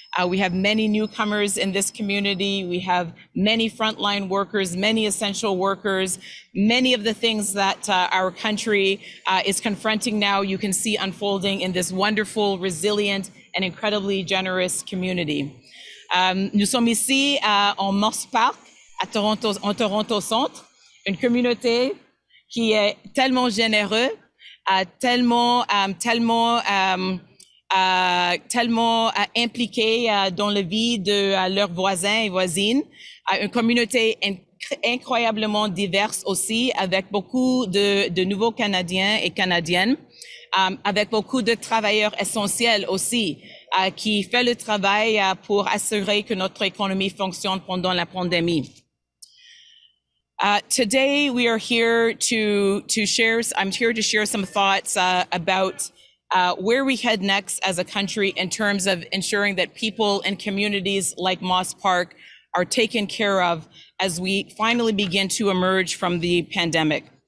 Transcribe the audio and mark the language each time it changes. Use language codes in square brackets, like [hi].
[en] We have many newcomers in this community. We have many frontline workers, many essential workers. Many of the things that our country is confronting now, you can see unfolding in this wonderful, resilient, and incredibly generous community. [fr] Nous sommes ici en Moss Park, à Toronto, en Toronto Centre. Une communauté qui est tellement généreuse, tellement impliquée dans la vie de leurs voisins et voisines, une communauté incroyablement diverse aussi, avec beaucoup de nouveaux Canadiens et Canadiennes, avec beaucoup de travailleurs essentiels aussi, qui fait le travail pour assurer que notre économie fonctionne pendant la pandémie. [en] Today we are here to share some thoughts about where we head next as a country in terms of ensuring that people in communities like Moss Park are taken care of as we finally begin to emerge from the pandemic.